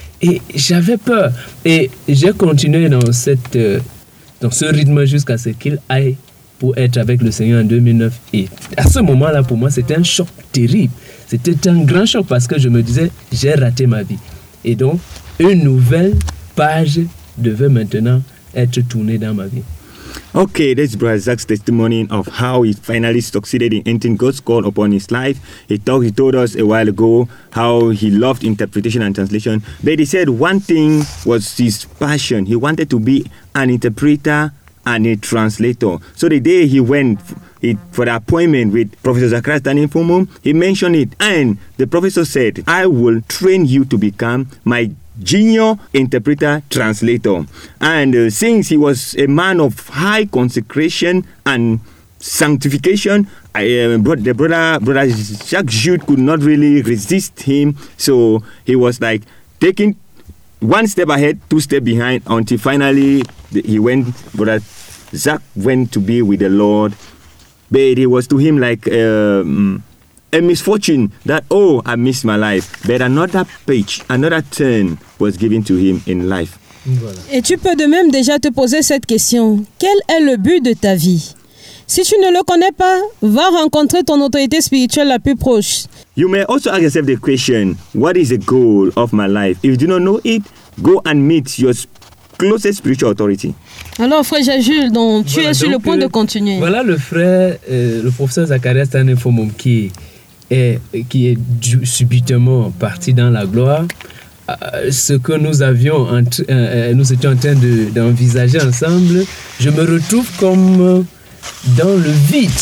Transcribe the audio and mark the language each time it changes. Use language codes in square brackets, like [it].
[fr] Et j'avais peur. Et j'ai continué dans ce rythme jusqu'à ce qu'il aille pour être avec le Seigneur en 2009. Et à ce moment-là, pour moi, c'était un choc terrible. C'était un grand choc parce que je me disais, j'ai raté ma vie. Et donc, une nouvelle page devait maintenant être tournée dans ma vie. [en] Okay, that's Brother Zach's testimony of how he finally succeeded in entering God's call upon his life. He told us a while ago how he loved interpretation and translation. But he said one thing was his passion. He wanted to be an interpreter and a translator. So the day he went for the appointment with Professor Zacharias Anéphomoub, he mentioned it. And the professor said, I will train you to become my junior interpreter translator. And since he was a man of high consecration and sanctification, brother Jacques Jude could not really resist him. So he was like taking one step ahead, two steps behind, until finally brother Jacques went to be with the Lord. But it was to him like a misfortune that, oh, I missed my life. But another page, another turn was given to him in life. [fr] Et tu peux de même déjà te poser cette question. Quel est le but de ta vie? Si tu ne le connais pas, va rencontrer ton autorité spirituelle la plus proche. [en] You may also ask yourself the question, what is the goal of my life? If you do not know it, go and meet your closest spiritual authority. [fr] Alors, frère Jésus, donc tu voilà, es sur le point de continuer. Voilà le frère, le professeur Zacharias Tanefomom qui est subitement parti dans la gloire. Ce que nous avions, nous étions en train d'envisager ensemble, je me retrouve comme dans le vide.